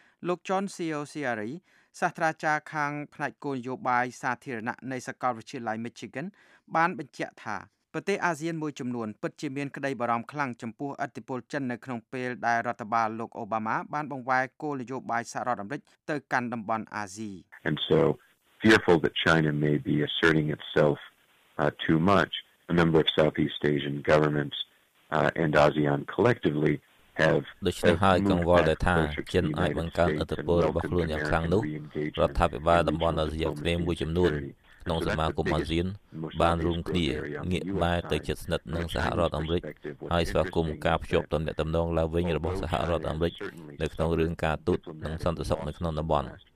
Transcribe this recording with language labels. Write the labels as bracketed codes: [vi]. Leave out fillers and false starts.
[km] លោកចនស៊ីអូស៊ីអារីសាស្ត្រាចារ្យខាងផ្នែកគោលនយោបាយសាធារណៈនៃសាកលវិទ្យាល័យ Michigan បានបញ្ជាក់ថាប្រទេសអាស៊ានមួយចំនួនពិតជាមានក្តីបារម្ភខ្លាំងចំពោះឥទ្ធិពលចិននៅក្នុងពេលដែលរដ្ឋបាលលោកអូបាម៉ាបានបង្វែរគោលនយោបាយសហរដ្ឋអាមេរិកទៅកាន់តំបន់អាស៊ី [en] And so fearful that China may be asserting itselftoo much, a number of Southeast Asian governments and ASEAN collectively have [km] ដូច្នេះហើយកង្វល់ដែលថាចិនអាចបង្កើនឥទ្ធិពលរបស់ខ្លួនយ៉ាងខ្លាំងនោះរដ្ឋាភិបាលតំបន់អាស៊ីអាគ្នេយ៍មួយចំនួនក្នុងសមាគមអាស៊ានបានរួមគ្នាងាកបែរទៅជិតស្និទ្ធនឹងសហរដ្ឋអាមេរិកហើយស្វាគមន៍ការភ្ជាប់ទំនាក់ទំនងឡើងវិញរបស់សហរដ្ឋអាមេរិកនៅក្នុងរឿងការទូតនិងសន្តិសុខនៅក្នុងតំបន់